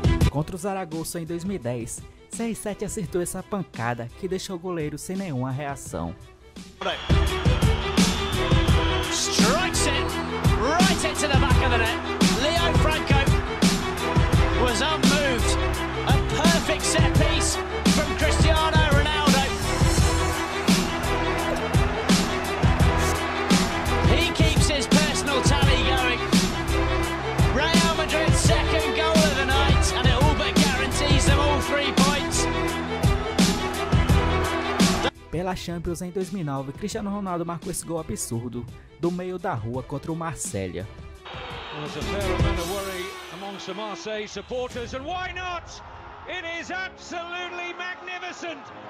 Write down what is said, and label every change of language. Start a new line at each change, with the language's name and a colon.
Portuguese: Contra o Zaragoza em 2010, CR7 acertou essa pancada que deixou o goleiro sem nenhuma reação.
English: Strikes it right into the back of the net. Leo Franco was unmoved. A perfect set piece from Cristiano Ronaldo. He keeps his personal tally going. Real Madrid's second goal of the night, and it all but guarantees them all 3 points.
Portuguese: Pela Champions em 2009, Cristiano Ronaldo marcou esse gol absurdo do meio da rua contra o Marsella.
English: There's a fair amount of worry amongst the Marseille supporters, and why not? It is absolutely magnificent.